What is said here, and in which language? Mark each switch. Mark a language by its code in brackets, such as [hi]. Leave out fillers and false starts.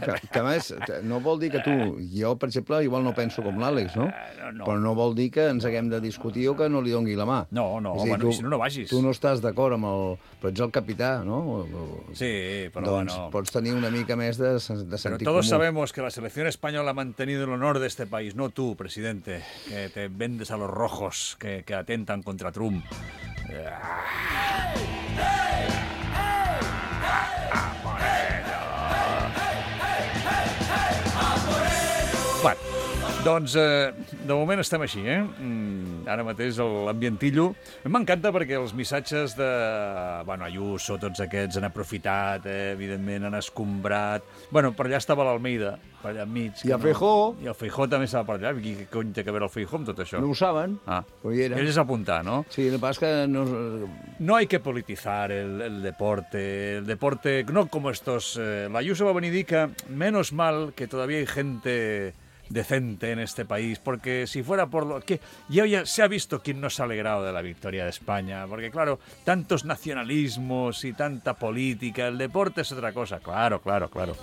[ca] Que, a més, no vol dir que tu... Jo, per exemple, igual no penso com l'Àlex, no? Però no vol dir que ens haguem de discutir o que no li dongui la mà. No, home, si no, no vagis. Tu no estàs d'acord amb el... Però ets el capità, no? Sí, però doncs bueno... pots tenir una mica més de sentit comú. [es] Però todos sabemos que la selección española ha mantenido el honor de este país, no tú, presidente, que te vendes a los rojos que atentan contra Trump. [ca] Doncs, de moment estem així, eh? Ara mateix l'ambientillo. M'encanta perquè els missatges de... Bueno, Ayuso, tots aquests han aprofitat, evidentment, han escombrat... Bueno, per allà estava l'Almeida, per allà enmig. I el Feijó. I el Feijó també estava per allà. I què cony té que veure el Feijó amb tot això? No ho saben. Ah. Però hi era. Ells és apuntar, no? Sí, el pas que no... [es] No hay que politizar el deporte. El deporte, no como estos... [ca] L'Ayuso va venir a dir que, [es] menos mal que todavía hay gente... decente en este país, porque si fuera por lo que... Ya, ya se ha visto quién no se ha alegrado de la victoria de España, porque, claro, tantos nacionalismos y tanta política, el deporte es otra cosa. Claro.